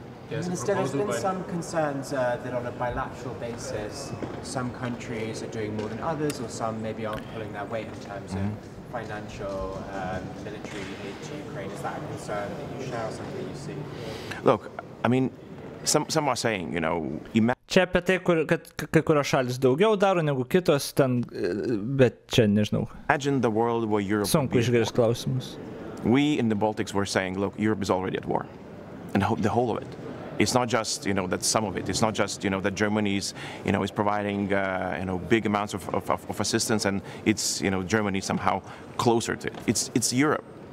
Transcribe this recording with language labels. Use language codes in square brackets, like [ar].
[en] Yes, Minister, there's been some concerns that on a bilateral basis, some countries are doing more than others, or some maybe aren't pulling their weight in terms mm-hmm. of financial military aid to Ukraine. Is that a concern that you share, something that you see? Look, I mean, some are saying, you know, [lt] čia apie tai, kur, kad kai kurios šalis daugiau daro negu kitos, ten, bet čia nežinau. [en] Imagine the world where Europe [lt] sunku išgirsti klausimus. [en] We in the Baltics were saying, look, Europe is already at war. And the whole of it. It's not just, you know, that some of it. It's not just, you know, that Germany is, you know, is providing, you know, big amounts of assistance and it's, you know, Germany somehow closer to it. It's Europe.